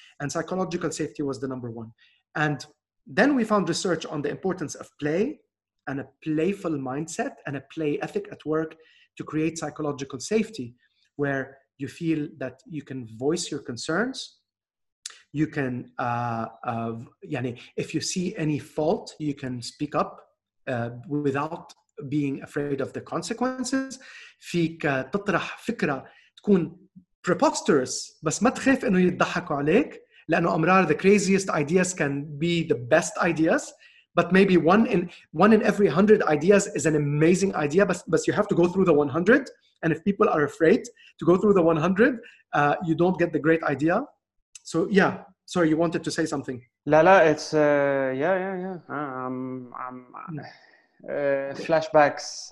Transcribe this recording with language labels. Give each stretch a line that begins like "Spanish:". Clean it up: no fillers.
English: And psychological safety was the number one. And then we found research on the importance of play and a playful mindset and a play ethic at work to create psychological safety, where you feel that you can voice your concerns. You can, yani, if you see any fault, you can speak up without being afraid of the consequences.
Arabic: فيك تطرح فكرة تكون preposterous, بس ما تخاف إنه يضحكوا عليك, لأنه أمرار
English: the craziest ideas can be the best ideas. But maybe one in every 100 ideas is an amazing idea, but you have to go through the 100. And if people are afraid to go through the 100, you don't get the great idea. So yeah, sorry, you wanted to say something. Lala, it's yeah. Flashbacks.